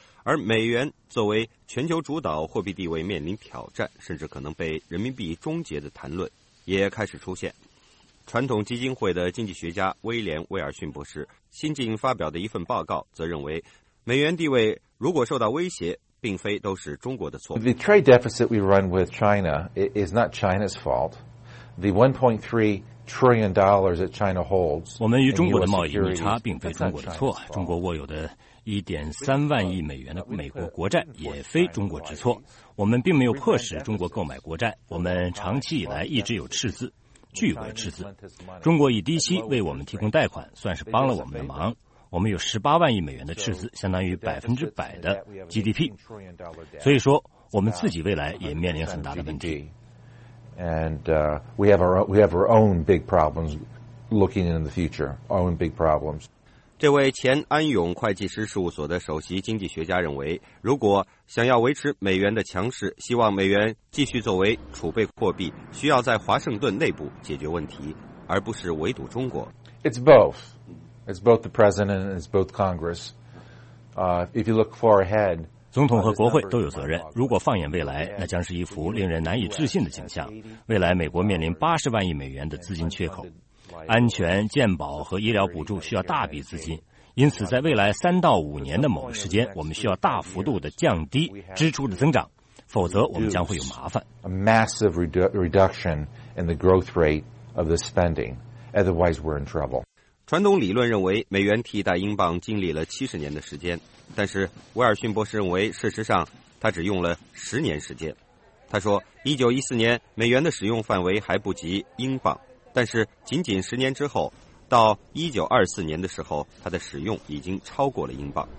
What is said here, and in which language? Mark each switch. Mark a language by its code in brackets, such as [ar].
[zh] 而美元作为全球主导货币地位面临挑战，甚至可能被人民币终结的谈论也开始出现。传统基金会的经济学家威廉·威尔逊博士新近发表的一份报告则认为，美元地位如果受到威胁，并非都是中国的错。 [en] The trade deficit we run with China is not China's fault. The $1.3 trillion that China holds. [zh] 我们与中国的贸易逆差并非中国的错。中国握有的1.3万亿美元的美国国债也非中国之错。我们并没有迫使中国购买国债。我们长期以来一直有赤字，巨额赤字。中国以低息为我们提供贷款，算是帮了我们的忙。我们有18万亿美元的赤字，相当于100%的 GDP。所以说，我们自己未来也面临很大的问题。 [en] And we have our own big problems looking into the future. Our own big problems. [zh] 这位前安永会计师事务所的首席经济学家认为，如果想要维持美元的强势，希望美元继续作为储备货币，需要在华盛顿内部解决问题，而不是围堵中国。 [en] It's both. It's both the president and it's both Congress. If you look far ahead, [zh] 总统和国会都有责任。如果放眼未来，那将是一幅令人难以置信的景象。未来美国面临80万亿美元的资金缺口，安全、健保和医疗补助需要大笔资金。因此，在未来3到5年的某个时间，我们需要大幅度的降低支出的增长，否则我们将会有麻烦。 [en] A massive reduction in the growth rate of the spending. Otherwise, we're in trouble. [zh] 传统理论认为美元替代英镑经历了70年的时间，但是威尔逊博士认为事实上他只用了10年时间。他说1914年美元的使用范围还不及英镑，但是仅仅10年之后，到1924年的时候，它的使用已经超过了英镑。